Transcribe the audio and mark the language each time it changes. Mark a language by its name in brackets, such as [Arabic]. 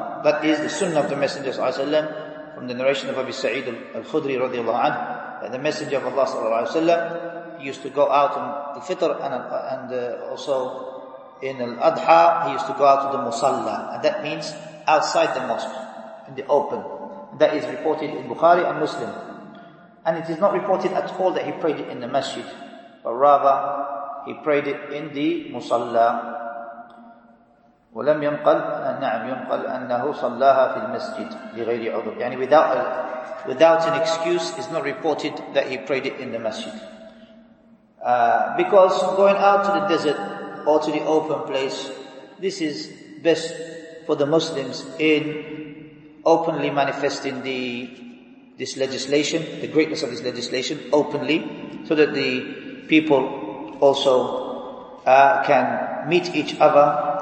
[English] That is the sunnah of the Messenger sallallahu alayhi wa sallam, from the narration of Abi Sa'id al-Khudri radiallahu anhu, that the Messenger of Allah sallallahu alayhi wa sallam, he used to go out on the Fitr and also in Al-Adha, he used to go out to the Musalla. And that means outside the mosque, in the open. That is reported in Bukhari and Muslim. And it is not reported at all that he prayed it in the masjid, but rather he prayed it in the Musalla. [Arabic] ولم ينقل نعم ينقل أنه صلىها في المسجد لغير عذر. [English] يعني without an excuse, is not reported that he prayed it in the masjid. Because going out to the desert or to the open place, this is best for the Muslims in openly manifesting this legislation, the greatness of this legislation openly, so that the people also can meet each other.